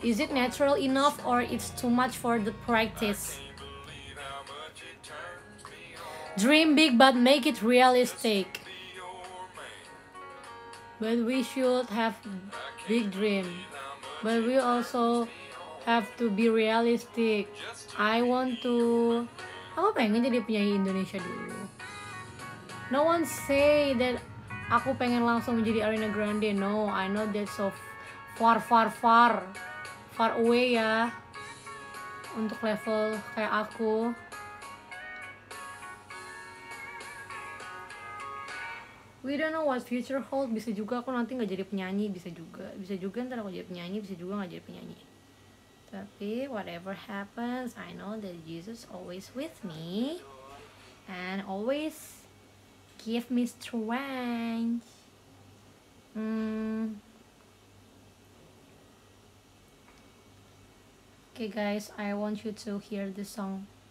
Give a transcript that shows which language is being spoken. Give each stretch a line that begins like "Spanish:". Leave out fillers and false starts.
English: Is it natural enough or it's too much for the practice? Dream big but make it realistic. But we should have big dream, but we also have to be realistic.
Indonesian: Aku pengen jadi penyanyi Indonesia dulu.
English: No one say that
Indonesian: aku pengen langsung menjadi Ariana Grande.
English: No, I know that so far, far, far, far away
Indonesian: ya untuk level kayak aku.
English: We don't know what future hold.
Indonesian: Bisa juga aku nanti gak jadi penyanyi. Bisa juga ntar aku jadi penyanyi. Bisa juga gak jadi penyanyi. Tapi
English: whatever happens, I know that Jesus always with me and always give me strength. Okay guys, I want you to hear this song.